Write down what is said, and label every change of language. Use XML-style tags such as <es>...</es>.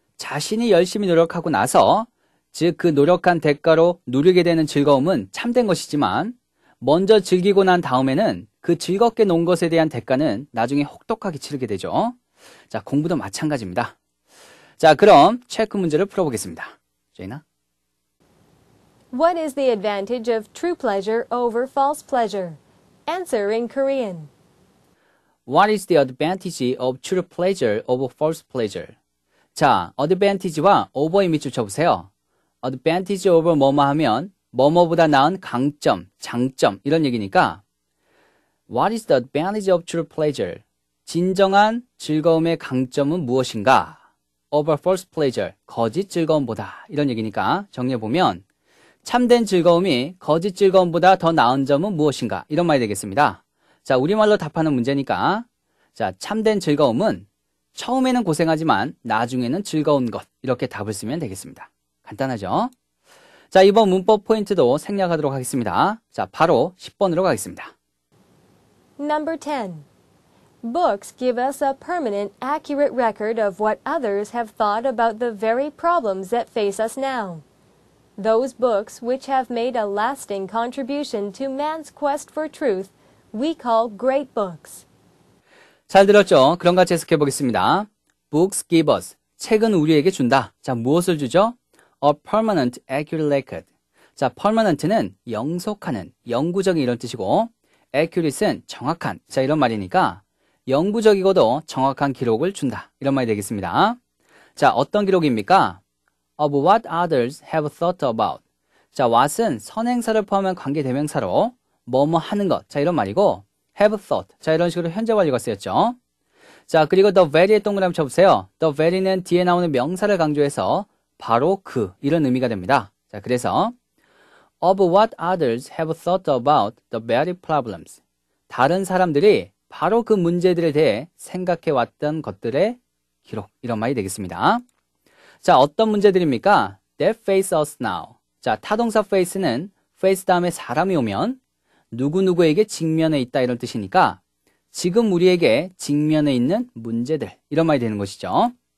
<ko>자신이 열심히 노력하고 나서, 즉 그 노력한 대가로 누리게 되는 즐거움은 참된 것이지만 먼저 즐기고 난 다음에는 그 즐겁게 논 것에 대한 대가는 나중에 혹독하게 치르게 되죠. 자, 공부도 마찬가지입니다. 자, 그럼 체크 문제를 풀어보겠습니다. 제이나?</ko> <en>What is the advantage of true pleasure over false pleasure? Answer in Korean. What is the advantage of true pleasure over false pleasure?</en> <ko>자, advantage와 over의 밑줄 쳐보세요. Advantage over 뭐뭐 하면 뭐뭐보다 나은 강점, 장점 이런 얘기니까</ko> <en>What is the advantage of true pleasure?</en> <ko>진정한 즐거움의 강점은 무엇인가?</ko> <en>Over false pleasure,</en> <ko>거짓 즐거움보다 이런 얘기니까 정리해보면 참된 즐거움이 거짓 즐거움보다 더 나은 점은 무엇인가? 이런 말이 되겠습니다. 자, 우리말로 답하는 문제니까 자, 참된 즐거움은 처음에는 고생하지만 나중에는 즐거운 것 이렇게 답을 쓰면 되겠습니다. 간단하죠? 자, 이번 문법 포인트도 생략하도록 하겠습니다. 자, 바로 10번으로 가겠습니다.</ko> <en>Number 10. Books give us a permanent, accurate record of what others have thought about the very problems that face us now. Those books which have made a lasting contribution to man's quest for truth, we call great books.</en> <ko>잘 들었죠? 그런가 해석해 보겠습니다.</ko> <en>Books give us.</en> <ko>책은 우리에게 준다. 자, 무엇을 주죠?</ko> <en>A permanent, accurate record.</en> <ko>자, permanent는 영속하는, 영구적인 이런 뜻이고 accurate은 정확한, 자, 이런 말이니까 영구적이고도 정확한 기록을 준다, 이런 말이 되겠습니다. 자, 어떤 기록입니까?</ko> <en>Of what others have thought about.</en> <ko>자, what은 선행사를 포함한 관계대명사로 뭐뭐 하는 것, 자, 이런 말이고 have thought, 자, 이런 식으로 현재완료가 쓰였죠. 자, 그리고 the very의 동그라미 쳐보세요. The very는 뒤에 나오는 명사를 강조해서 바로 그, 이런 의미가 됩니다. 자, 그래서</ko> <en>Of what others have thought about the very problems.</en> <ko>다른 사람들이 바로 그 문제들에 대해 생각해 왔던 것들의 기록, 이런 말이 되겠습니다. 자, 어떤 문제들입니까?</ko> <en>That face us now.</en> <ko>자, 타동사 face는 face 다음에 사람이 오면 누구누구에게 직면해 있다, 이런 뜻이니까 지금 우리에게 직면해 있는 문제들, 이런 말이 되는 것이죠.</ko>